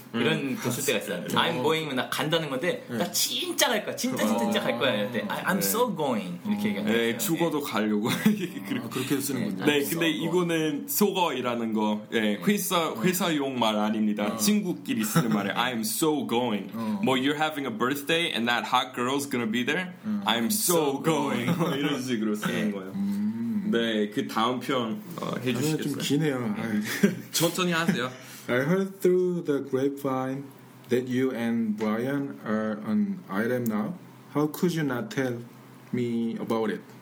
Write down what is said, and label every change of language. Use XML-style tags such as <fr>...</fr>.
<ko>이런 보실 때가 있어요.</ko> <en>I'm going</en> <ko>은 나 간다는 건데 나 진짜 갈 거야. 진짜 갈 거야. 이랬대.</ko> <en>I'm so going.</en> <ko>이렇게 얘기하는 거예요. 죽어도 가려고. 그리고 그렇게 쓰는 건데. 네, 근데 이거는 so거이라는 거. 예, 회사용 말 아닙니다. 친구끼리 쓰는 말이에요.</ko> <en>I'm so going. 뭐, you're having a birthday and that hot girl's gonna be there? I'm so going.</en> <ko>이런 식으로 쓰는 거예요. 네, 그 다음 표현 해주시겠어요? 좀 기네요. 천천히 하세요.</ko> <en>I heard through the grapevine that you and Brian are on IRM now. How could you not tell me about it?</en>